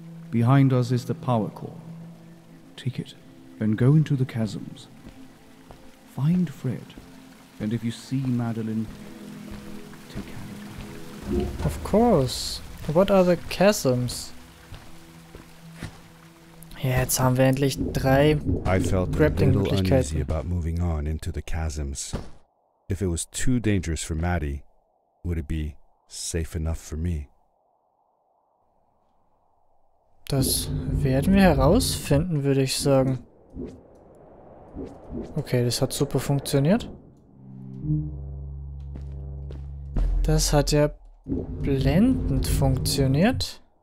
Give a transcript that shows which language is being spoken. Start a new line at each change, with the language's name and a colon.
English: Behind us is the power core. Take it. And go into the chasms. Find Fred. And if you see Madeline, take care of her. Of course. What are the chasms?
German: Yeah, jetzt haben wir endlich drei.
English: I felt a little uneasy about moving on into the chasms. If it was too dangerous for Maddie, would it be safe enough for me?
German: Das werden wir herausfinden, würde ich sagen. Okay, das hat super funktioniert. Das hat ja blendend funktioniert.